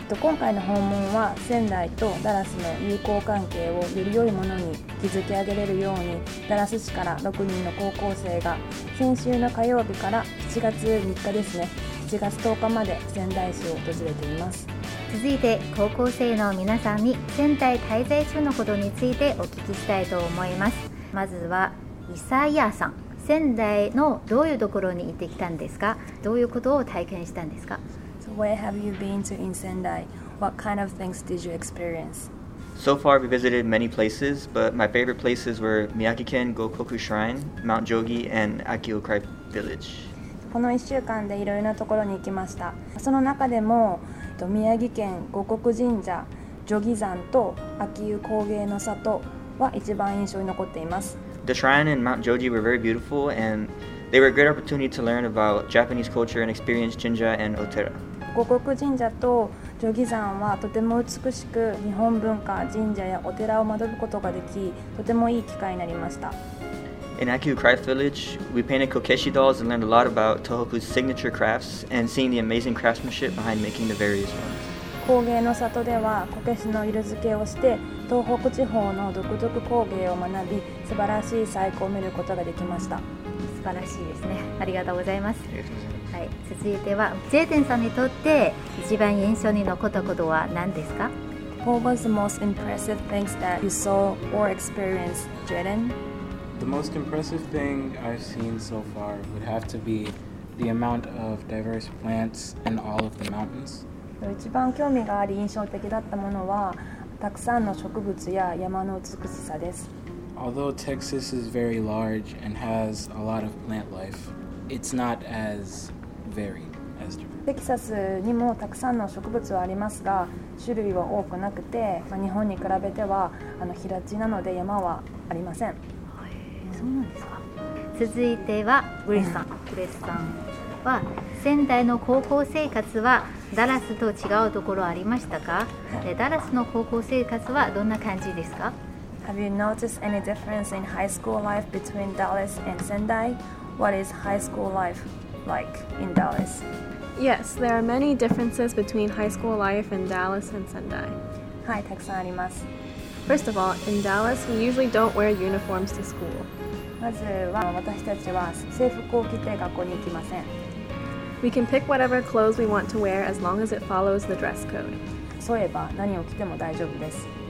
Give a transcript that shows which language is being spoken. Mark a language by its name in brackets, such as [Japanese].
[Japanese] 今回の訪問は仙台とダラスの友好関係をより良いものに築き上げれるように、ダラス市から6人の高校生が先週の火曜日から7月3日ですね、7月10日まで仙台市を訪れています。続いて高校生の皆さんに仙台滞在中のことについてお聞きしたいと思います。まずはイサイアさん、仙台のどういうところに行ってきたんですか？どういうことを体験したんですか？ [English] So where have you been to in Sendai? What kind of things did you experience? So far we visited many places, but my favorite places were Miyagi-ken Gokoku Shrine, Mount Jogi, and Akiokrai Village. [Japanese] この1週間でいろいろなところに行きました。その中でも宮城県五穀神社、ジョギ山と秋湯高原の里は一番印象に残っています。 [English] The shrine and Mount Joji were very beautiful and they were a great opportunity to learn about Japanese culture and experience Jinja and Otera. [Japanese] 五穀神社とジョギ山はとても美しく、日本文化、神社やお寺を学ぶことができ、とてもいい機会になりました。 [English] In Akiokrai Village, we painted kokeshi dolls and learned a lot about Tohoku's signature crafts and seeing the amazing craftsmanship behind making the various ones. [Japanese] 工芸の里ではこけしの色付けをして東北地方の独特工芸を学び、素晴らしい細工を見ることができました。素晴らしいですね。ありがとうございます。ありがとうございます。はい、続いてはジェイテンさんにとって一番印象に残ったことは何ですか？ [English] What was the most impressive things that you saw or experienced, Jaden? The most impressive thing I've seen so far would have to be the amount of diverse plants in all of the mountains. [Japanese] 一番興味があり印象的だったものはたくさんの植物や山の美しさです。 [English] Although Texas is very large and has a lot of plant life, it's not as varied as Japan. [Japanese] テキサスにもたくさんの植物はありますが、種類は多くなくて、まあ、日本に比べては平地なので山はありません。そうなんですか。続いてはグレスさん。グレスさんは仙台の高校生活はダラスと違うところありましたか？で、ダラスの高校生活はどんな感じですか？ [English] Have you noticed any difference in high school life between Dallas and Sendai? What is high school life like in Dallas? Yes, there are many differences between high school life in Dallas and Sendai. [Japanese] はい、たくさんあります。 [English] First of all, in Dallas, we usually don't wear uniforms to school. [Japanese] まずは私たちは制服を着て学校に行きません。 [English] We can pick whatever clothes we want to wear as long as it follows the dress code. [Japanese] そういえば何を着ても大丈夫です。